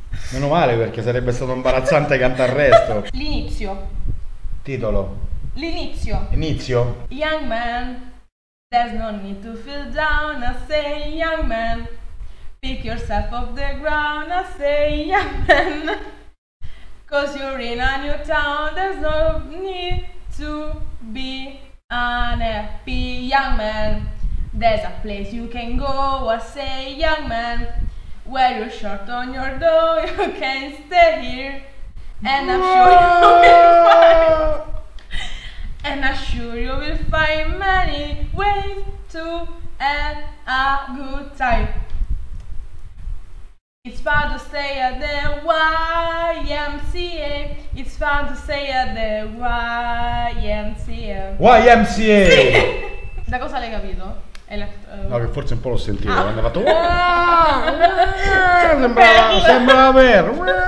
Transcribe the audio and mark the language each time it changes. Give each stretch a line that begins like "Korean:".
Italian: Meno male, perché sarebbe stato imbarazzante cantare il resto. L'inizio. Titolo. L'inizio. Inizio.
English: Young man, there's no need to feel down, I say young man. Pick yourself off the ground, I say young man. Cause you're in a new town, there's no need to be unhappy. Young man, there's a place you can go, I say young man. Where you're short on your dough, you can stay here. And I'm sure you will find. And I'm sure you will find many ways to have a good time. It's fun to stay at the YMCA. It's fun to stay at the YMCA. YMCA!
Italian: Da cosa l'hai capito? No, che forse un po' l'ho sentito, ah. Quando ha fatto sembrava vero.